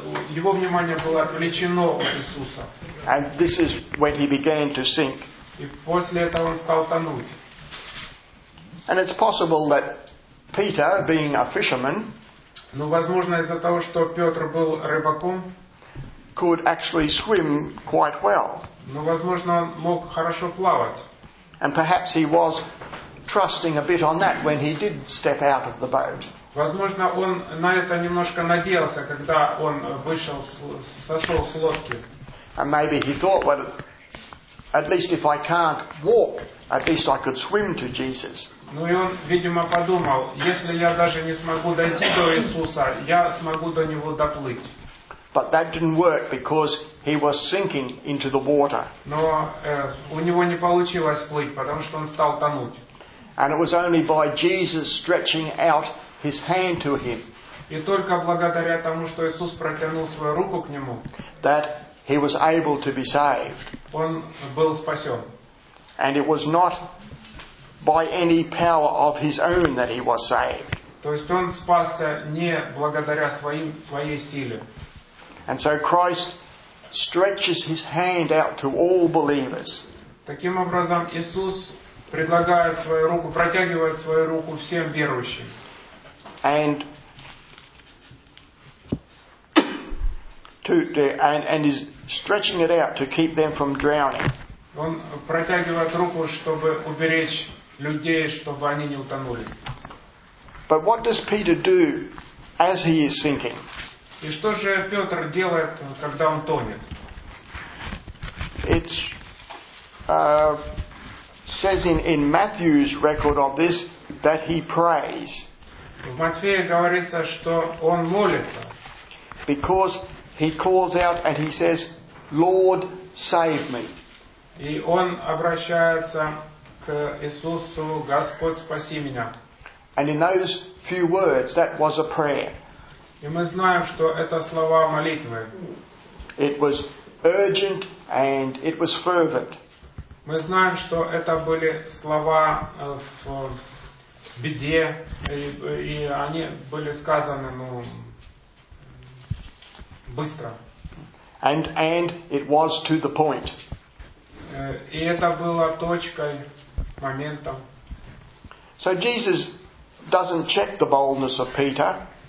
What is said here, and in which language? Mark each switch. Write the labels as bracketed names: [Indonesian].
[Russian] Его внимание было отвлечено от Иисуса. [English] And this is when he began to sink. [Russian] И после этого он стал тонуть. [English] And it's possible that Peter, being a fisherman, [Russian] но возможно из-за того, что Петр был рыбаком, [English] could actually swim quite well. [Russian] Но возможно он мог хорошо плавать. [English] And perhaps he was trusting a bit on that when he did step out of the boat. [Russian] Возможно, он на это немножко надеялся, когда он вышел, сошел с лодки. [English] And maybe he thought, well, at least if I can't walk, at least I could swim to Jesus. [Russian] Ну и он, видимо, подумал, если я даже не смогу дойти до Иисуса, я смогу до него доплыть. [English] But that didn't work because he was sinking into the water. [Russian] Но у него не получилось плыть, потому что он стал тонуть. [English] And it was only by Jesus stretching out his hand to him. [Russian] И только благодаря тому, что Иисус протянул свою руку к нему, [English] that he was able to be saved. [Russian] Он был спасен. [English] And it was not by any power of his own that he was saved. [Russian] То есть он спасся не благодаря своей силе. [English] And so Christ stretches his hand out to all believers. [Russian] Таким образом, Иисус предлагает свою руку, протягивает свою руку всем верующим. [English] And is stretching it out to keep them from drowning. [Russian] Он протягивает руку, чтобы уберечь людей, чтобы они не утонули. [English] But what does Peter do as he is sinking? [Russian] И что же Петр делает, когда он тонет? [English] It's says in Matthew's record of this that he prays. [Russian] В Матфея говорится, что он молится. [English] Because he calls out and he says, Lord, save me. [Russian] И он обращается к Иисусу, Господь, спаси меня. [English] And in those few words, that was a prayer. [Russian] И мы знаем, что это слова молитвы. [English] It was urgent and it was fervent. [Russian] Мы знаем, что это были слова в беде, и они были сказаны, быстро. [English] And it was to the point. [Russian] И это было точкой, моментом. [English] So Jesus doesn't check the boldness of Peter.